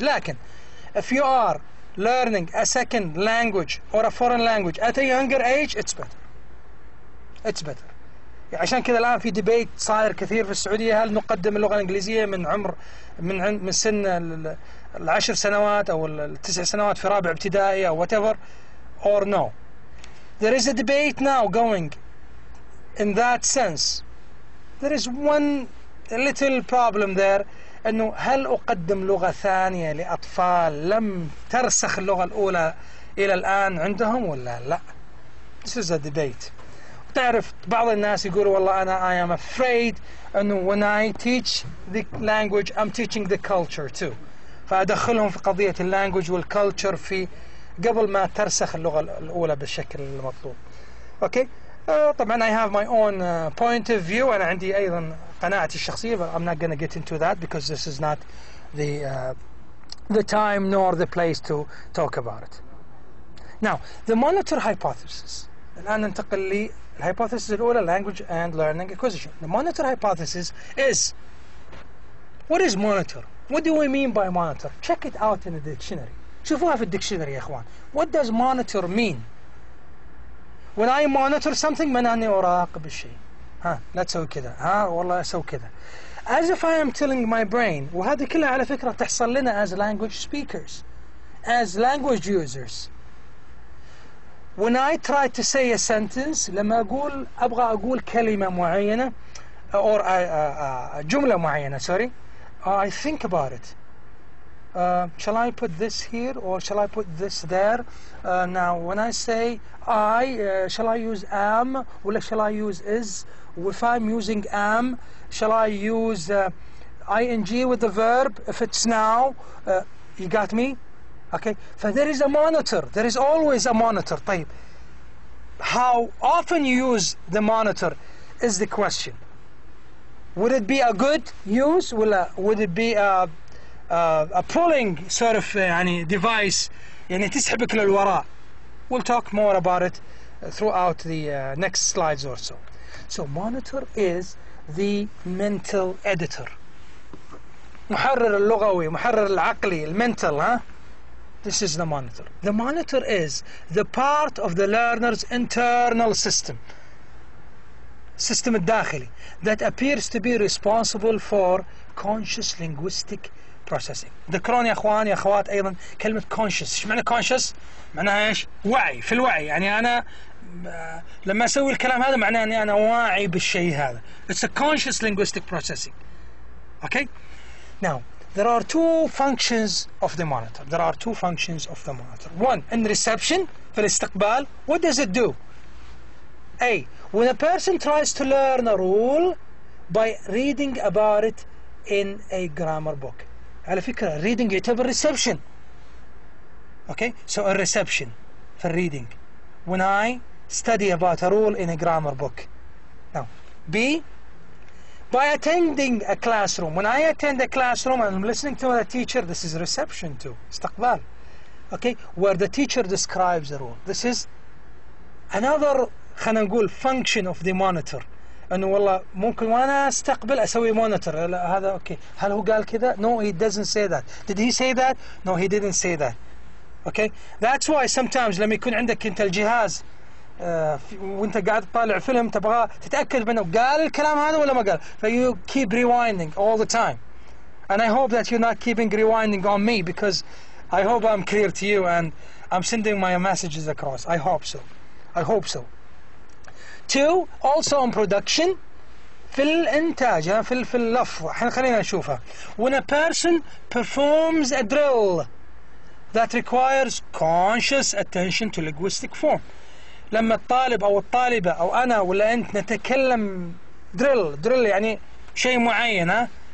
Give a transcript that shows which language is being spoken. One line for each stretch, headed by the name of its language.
English: Lakin, if you are learning a second language or a foreign language at a younger age, it's better. It's better.
Arabic: عشان كذا الآن في debate صاير كثير في السعودية، هل نقدم اللغة الإنجليزية من عمر من سن العشر سنوات أو التسع سنوات في رابع ابتدائي أو
English: whatever or no. There is a debate now going in that sense. There is one little problem there.
Arabic: أنه هل أقدم لغة ثانية لأطفال لم ترسخ اللغة الأولى إلى الآن عندهم ولا لا؟
English: This is a debate.
Arabic: تعرف بعض الناس يقولوا والله أنا
English: I am afraid أنه when I teach the language I'm teaching the culture too.
Arabic: فأدخلهم في قضية اللانجوج والكلتشر في قبل ما ترسخ اللغة الأولى بالشكل المطلوب. أوكي؟ طبعا
English: I have my own point of view.
Arabic: أنا عندي أيضا قناعتي الشخصية.
English: But I'm not going to get into that because this is not the the time nor the place to talk about it. Now the monitor hypothesis.
Arabic: الآن ننتقل للhypothesis الأولى
English: language and learning acquisition. The monitor hypothesis is what is monitor? What do we mean by monitor? Check it out in the dictionary.
Arabic: شوفوها في الدكشنري يا إخوان.
English: What does monitor mean? When I monitor something,
Arabic: من أني أراقب الشيء. ها لا تسوي كذا. ها والله أسوي كذا.
English: As if I am telling my brain.
Arabic: وهذه كلها على فكرة تحصل لنا
English: as language speakers, as language users. When I try to say a sentence,
Arabic: لما أقول أبغى أقول كلمة معينة
English: or
Arabic: جملة معينة
English: sorry, I think about it. Shall I put this here or shall I put this there? Now, when I say I, shall I use am or shall I use is? If I'm using am, shall I use ing with the verb? If it's now, you got me? Okay. So there is a monitor. There is always a monitor. طيب. How often you use the monitor is the question. Would it be a good use? Would it be a... a pulling sort of يعني device
Arabic: يعني تسحبك للوراء.
English: We'll talk more about it throughout the next slides or so. So monitor is the mental editor.
Arabic: محرر اللغوي، محرر العقلي، المنتل ها.
English: This is the monitor. The monitor is the part of the learner's internal system. System الداخلي that appears to be responsible for conscious linguistic processing.
Arabic: ذكرون يا اخوان يا اخوات ايضا كلمه conscious. ايش معنى conscious؟ معناها ايش؟ وعي، في الوعي. يعني انا لما اسوي الكلام هذا معناه اني انا واعي بالشيء هذا.
English: It's a conscious linguistic processing. Okay. Now there are two functions of the monitor. There are two functions of the monitor. One in reception,
Arabic: في الاستقبال.
English: What does it do? A. When a person tries to learn a rule by reading about it in a grammar book.
Arabic: على فكرة
English: reading يعتبر reception. Okay, so a reception for reading. When I study about a rule in a grammar book. Now, B. By attending a classroom. When I attend a classroom and I'm listening to a teacher, this is reception too. استقبال. Okay, where the teacher describes a rule. This is another
Arabic: خلنا نقول
English: function of the monitor.
Arabic: أنه والله ممكن وأنا أستقبل أسوي مونيتور. لا هذا أوكي. هل هو قال كذا؟
English: No, he doesn't say that. Did he say that? No, he didn't say that. Okay. That's why sometimes
Arabic: لما يكون عندك أنت الجهاز وأنت قاعد تطالع فيلم تبغى تتأكد منه قال الكلام هذا ولا ما قال.
English: So you keep rewinding all the time. And I hope that you're not keeping rewinding on me because I hope I'm clear to you and I'm sending my messages across. I hope so. I hope so. Two, also on production.
Arabic: في الإنتاج في اللفظ حين خلينا نشوفها.
English: When a person performs a drill that requires conscious attention to linguistic form.
Arabic: لما الطالب أو الطالبة أو أنا ولا أنت نتكلم drill يعني شيء معين